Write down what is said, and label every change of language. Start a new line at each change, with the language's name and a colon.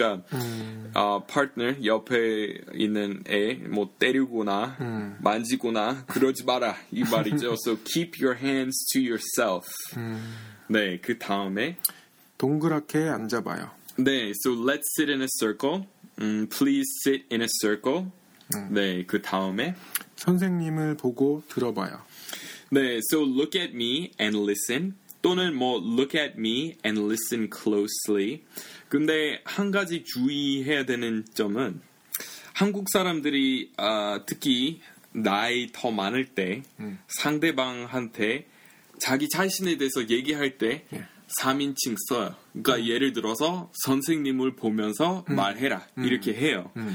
Korean: 그러니까 partner 옆에 있는 애 뭐 때리거나 만지거나 그러지 마라 이 말이죠.
English: so keep your hands to yourself.
Korean: 네, 그 다음에 동그랗게 앉아봐요. 네,
English: so let's sit in a circle. Please sit in a circle.
Korean: 네, 그 다음에 선생님을 보고 들어봐요. 네,
English: so look at me and listen
Korean: 또는 뭐
English: look at me and listen closely.
Korean: 근데 한 가지 주의해야 되는 점은 한국 사람들이 특히 나이 더 많을 때 상대방한테 자기 자신에 대해서 얘기할 때 3인칭 써요. 그러니까 예를 들어서 선생님을 보면서 말해라 이렇게 해요.